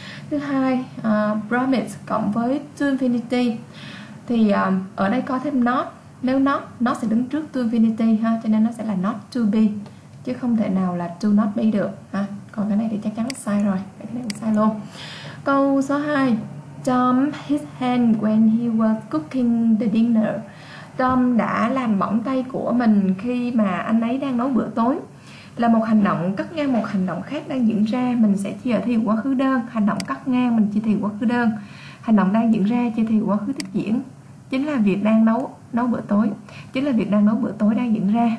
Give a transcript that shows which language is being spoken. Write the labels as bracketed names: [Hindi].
[Vietnamese] Thứ hai, promise cộng với to infinity thì ở đây có thêm not. Nếu not, nó sẽ đứng trước to infinity ha, cho nên nó sẽ là not to be chứ không thể nào là to not be được ha. Còn cái này thì chắc chắn là sai rồi, cái này cũng sai luôn. Câu số 2, [English] Tom his hand when he was cooking the dinner. [Vietnamese] Tom đã làm mỏng tay của mình khi mà anh ấy đang nấu bữa tối. Là một hành động cắt ngang một hành động khác đang diễn ra, mình sẽ chia thì quá khứ đơn. Hành động cắt ngang mình chia thì quá khứ đơn. Hành động đang diễn ra chia thì quá khứ tiếp diễn. Chính là việc đang nấu bữa tối. Chính là việc đang nấu bữa tối đang diễn ra.